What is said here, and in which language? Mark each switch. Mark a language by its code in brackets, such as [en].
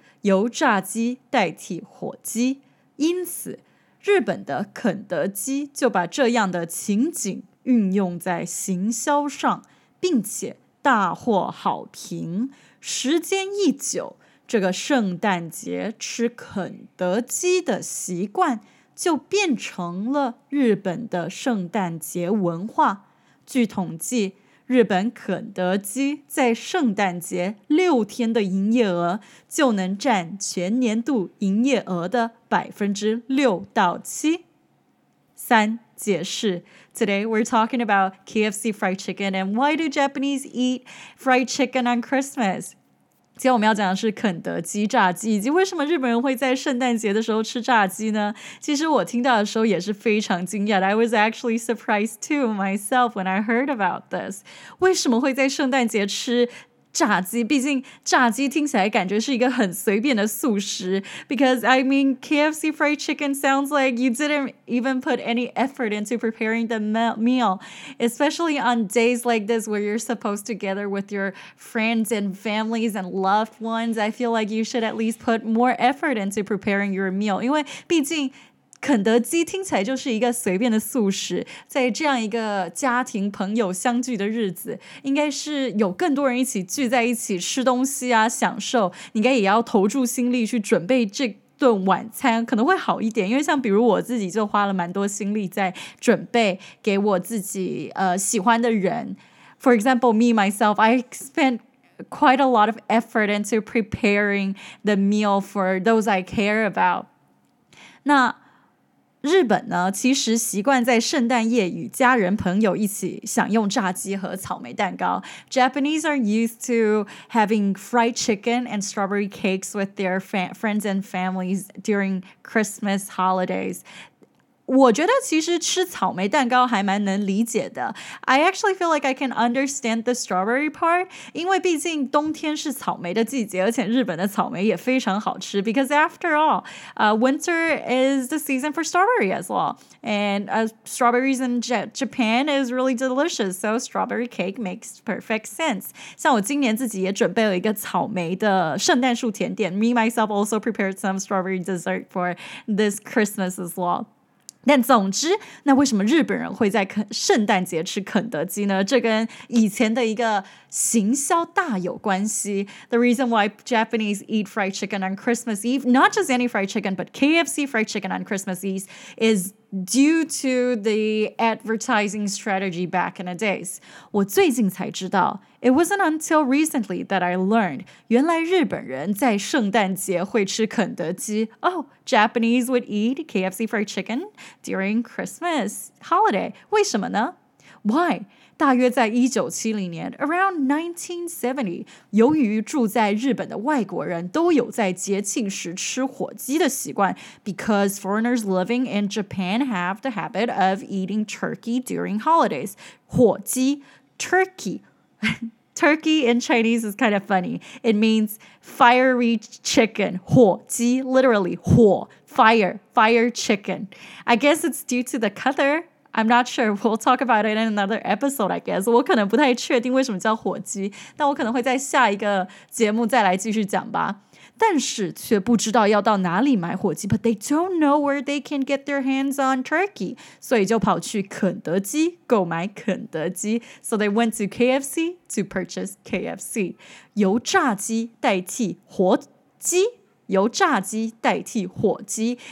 [zh] 由炸鸡代替火鸡, 因此, 日本的肯德基就把这样的情景运用在行销上, 并且大获好评, 时间一久, 这个圣诞节吃肯德基的习惯就变成了日本的圣诞节文化, 据统计, 日本肯德基在圣诞节6天的营业额 就能占全年度营业额的6%到7%。 [en] 3. 解释, Today we're talking about KFC fried chicken and why do Japanese eat fried chicken on Christmas? [zh] 今天我们要讲的是肯德基炸鸡，以及为什么日本人会在圣诞节的时候吃炸鸡呢？其实我听到的时候也是非常惊讶的。 [en] I was actually surprised too myself when I heard about this. [zh] 为什么会在圣诞节吃炸鸡?毕竟炸鸡听起来感觉是一个很随便的素食。 [en] Because, I mean, KFC fried chicken sounds like you didn't even put any effort into preparing the meal. Especially on days like this where you're supposed to gather with your friends and families and loved ones, I feel like you should at least put more effort into preparing your meal. [zh] 因为毕竟 肯德基听起来就是一个随便的素食，在这样一个家庭朋友相聚的日子，应该是有更多人一起聚在一起吃东西啊，享受，你应该也要投注心力去准备这顿晚餐，可能会好一点，因为像比如我自己就花了蛮多心力在准备给我自己喜欢的人。 [en] For example, me, myself, I spent quite a lot of effort into preparing the meal for those I care about. [zh] 那 日本呢，其实习惯在圣诞夜与家人朋友一起享用炸鸡和草莓蛋糕。 [en] Japanese are used to having fried chicken and strawberry cakes with their friends and families during Christmas holidays. [zh] 我觉得其实吃草莓蛋糕还蛮能理解的。 [en] I actually feel like I can understand the strawberry part, [zh] 因为毕竟冬天是草莓的季节，而且日本的草莓也非常好吃。 [en] Because after all, winter is the season for strawberry as well. And strawberries in Japan is really delicious, so strawberry cake makes perfect sense. [zh] 像我今年自己也准备了一个草莓的圣诞树甜点。 [en] Me, myself also prepared some strawberry dessert for this Christmas as well. [zh] 但总之, 那为什么日本人会在圣诞节吃肯德基呢? 这跟以前的一个行销大有关系。 [en] The reason why Japanese eat fried chicken on Christmas Eve, not just any fried chicken, but KFC fried chicken on Christmas Eve, is due to the advertising strategy back in the days. [zh] 我最近才知道, [en] it wasn't until recently that I learned, [zh] 原来日本人在圣诞节会吃肯德基, [en] oh, Japanese would eat KFC fried chicken during Christmas holiday. [zh] 为什么呢? [en] Why? [zh] 大约在1970年, [en] around 1970, [zh] 由于住在日本的外国人都有在节庆时吃火鸡的习惯, [en] because foreigners living in Japan have the habit of eating turkey during holidays. 火鸡, turkey, Turkey in Chinese is kind of funny. It means fiery chicken. 火鸡, literally 火, fire, fire chicken. I guess it's due to the color. I'm not sure. We'll talk about it in another episode, I guess. [zh] 我可能不太确定为什么叫火鸡，但我可能会在下一个节目再来继续讲吧。但是却不知道要到哪里买火鸡, [en] but they don't know where they can get their hands on turkey. [zh] 所以就跑去肯德基购买肯德基. [en] So they went to KFC to purchase KFC. [zh] 由炸鸡代替火鸡, 由炸鸡代替火鸡.